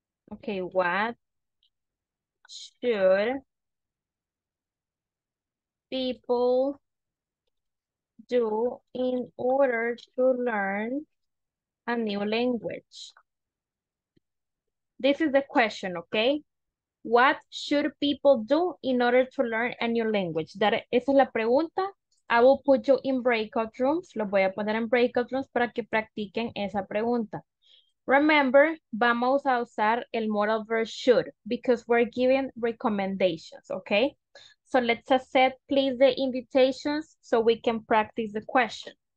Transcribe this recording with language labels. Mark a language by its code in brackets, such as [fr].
[en] Okay, what should people do in order to learn a new language? This is the question, okay? What should people do in order to learn a new language? [es] Esa es la pregunta. [en] I will put you in breakout rooms. [es] Los voy a poner en breakout rooms para que practiquen esa pregunta. [en] Remember, [es] vamos a usar el [en] modal verb should because we're giving recommendations, okay? So let's accept, please, the invitations so we can practice the question.